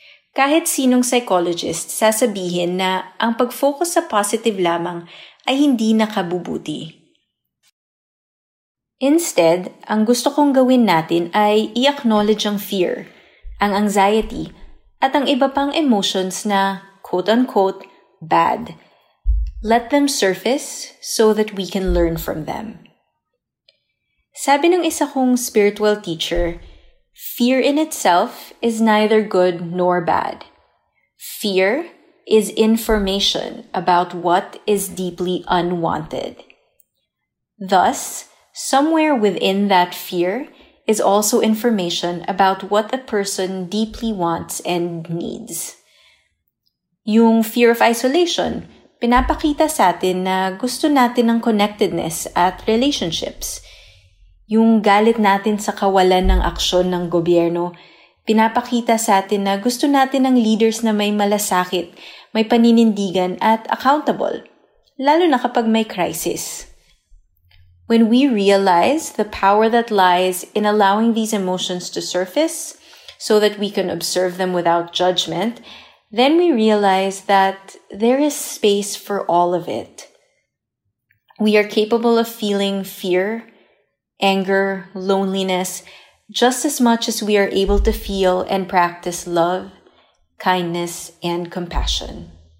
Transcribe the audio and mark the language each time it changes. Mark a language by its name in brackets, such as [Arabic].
[Filipino] Kahit sinong psychologist sasabihin na ang pag-focus sa positive lamang ay hindi nakabubuti. Instead, ang gusto kong gawin natin ay i-acknowledge ang fear, ang anxiety, at ang iba pang emotions na quote-unquote bad. [English] Let them surface so that we can learn from them. [Filipino] Sabi ng isa kong [English] spiritual teacher, fear in itself is neither good nor bad. Fear is information about what is deeply unwanted. Thus, somewhere within that fear is also information about what a person deeply wants and needs. [Filipino] Yung [English] fear of isolation, [Filipino] pinapakita sa atin na gusto natin ng connectedness at relationships. Yung galit natin sa kawalan ng aksyon ng gobyerno, pinapakita sa atin na gusto natin ng leaders na may malasakit, may paninindigan at accountable, lalo na kapag may crisis. [English] When we realize the power that lies in allowing these emotions to surface so that we can observe them without judgment, then we realize that there is space for all of it. We are capable of feeling fear, anger, loneliness, just as much as we are able to feel and practice love, kindness, and compassion.